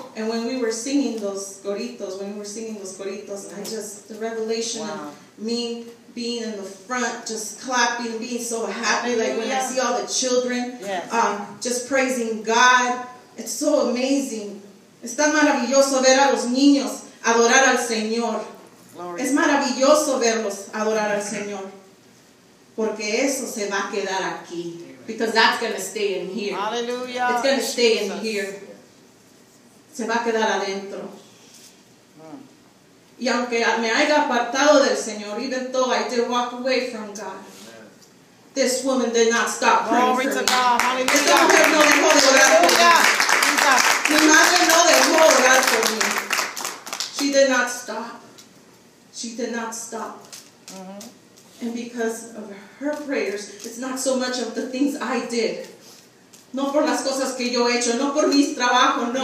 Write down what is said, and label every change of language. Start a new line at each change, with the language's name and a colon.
English: And when we were singing those coritos, I just, the revelation of me being in the front, just clapping, being so happy, like when I see all the children, just praising God. It's so amazing.
Spanish: Está maravilloso ver a los niños adorar al Señor.
English: Glory.
Spanish: Es maravilloso verlos adorar al Señor. Porque eso se va a quedar aquí.
English: Because that's going to stay in here. Hallelujah. It's going to stay in here.
Spanish: Se va a quedar adentro. Y aunque me haya apartado del Señor,
English: even though I did walk away from God, this woman did not stop praying for me. Glory to God. Hallelujah.
Spanish: Esta mujer no dejó de orar por mí. Mi madre no dejó de orar por mí.
English: She did not stop. She did not stop. And because of her prayers, it's not so much of the things I did.
Spanish: No por las cosas que yo he hecho, no por mis trabajos, no.